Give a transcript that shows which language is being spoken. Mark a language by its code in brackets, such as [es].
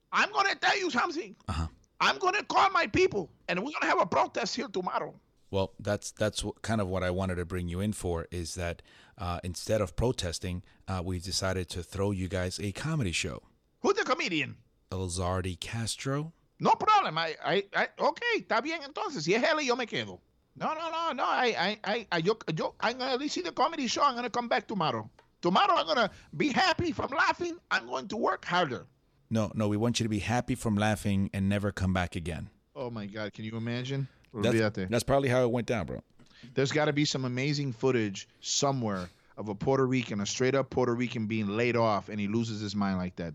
[en] I'm going to tell you something. Uh-huh. I'm going to call my people, and we're going to have a protest here tomorrow. Well, that's kind of what I wanted to bring you in for, is that instead of protesting, we've decided to throw you guys a comedy show. Who's the comedian? Elizardi Castro. No problem. I okay, [es] está bien entonces. Si es él, yo me quedo. [en] No. I'm going to see the comedy show. I'm going to come back tomorrow. Tomorrow I'm going to be happy from laughing. I'm going to work harder. No, we want you to be happy from laughing and never come back again. Oh, my God. Can you imagine? That's probably how it went down, bro. There's got to be some amazing footage somewhere of a Puerto Rican, a straight-up Puerto Rican being laid off, and he loses his mind like that.